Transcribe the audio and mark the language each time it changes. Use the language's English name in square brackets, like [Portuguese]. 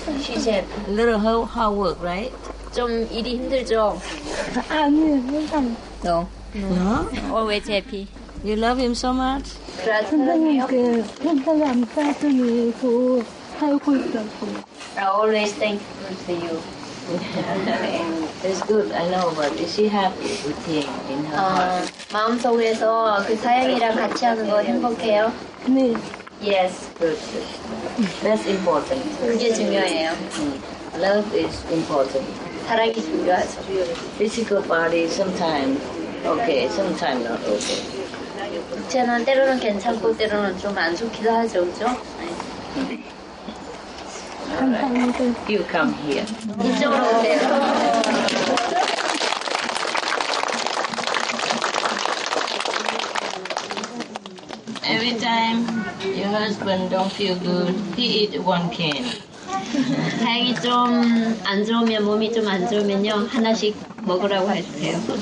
[English] She's happy. A little hard work, right? [Korean] 좀 일이 힘들죠? 아니요, 항상. [English] No. No? Always happy. You love him so much? [Korean] 그런 사람이요? 선생님, 그 평생 남편이고. [English] 하고 I always thank you to you. It's good, I know, but is she happy with him in her heart? [Korean] 마음속에서 그 사연이랑 같이 하는 거 행복해요? 네. [English] Yes. Good. That's important. [Korean] 그게 중요해요. [English] Love is important. [Korean] 사랑이 중요하죠. [English] Physical body sometimes okay, sometimes not okay. [Korean] 육체는 때로는 괜찮고 때로는 좀 안 좋기도 하죠, 그렇죠? 감사합니다. [English] You come here. [Korean] 이쪽으로 오세요. 네. [English] Every time your husband don't feel good, he eat one can. [Korean] 다행히 좀 안 좋으면 몸이 좀 안 좋으면요 하나씩 먹으라고 해주세요.